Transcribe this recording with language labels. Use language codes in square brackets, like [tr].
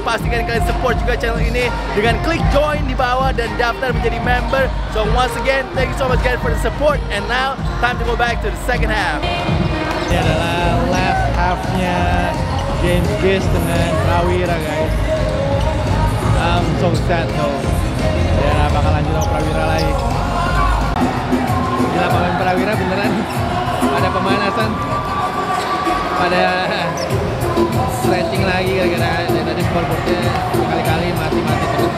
[id] Pastikan kalian support juga channel ini dengan klik join di bawah dan daftar menjadi member. [en] So once again, thank you so much guys for the support, and now time to go back to the second half. [id] Ini adalah last half-nya James Gis dengan Prawira guys. [en] I'm so sad though. [id] Ya, bakal lanjut sama Prawira lagi. Gila pemain Prawira beneran ada pemanasan, pada stretching lagi gara-gara dari tadi scoreboardnya berkali-kali mati-mati.